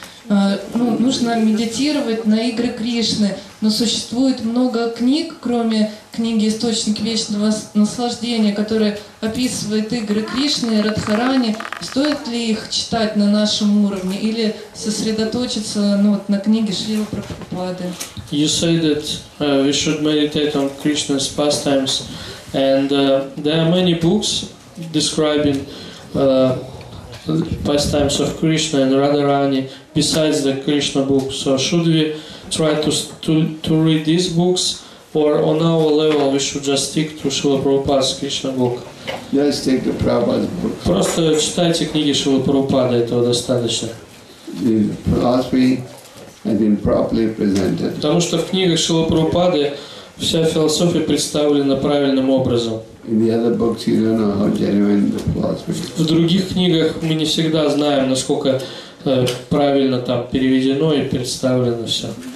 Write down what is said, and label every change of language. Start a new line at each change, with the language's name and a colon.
Russian: Ну, нужно медитировать на игры Кришны, но существует много книг, кроме книги «Источник вечного наслаждения», которая описывает игры Кришны и Радхарани. Стоит ли их читать на нашем уровне или сосредоточиться на книге Шрилы Прабхупады?
English: You say that we should meditate on Krishna's pastimes, and there are many books describing pastimes of Krishna and Radharani besides the Krishna book. So should we try to read these books, or on our level we should just stick to Srila Prabhupada's Krishna book? Just stick to Prabhupada's book.
Russian: Просто читайте книги Шрилы Прабхупады, этого достаточно.
English: The philosophy has been properly presented.
Russian: Потому что в книгах Шрилы Прабхупады вся философия представлена правильным образом.
English: In the other books, you don't know how genuine the philosophy is.
Russian: В других книгах мы не всегда знаем, насколько правильно там переведено и представлено все.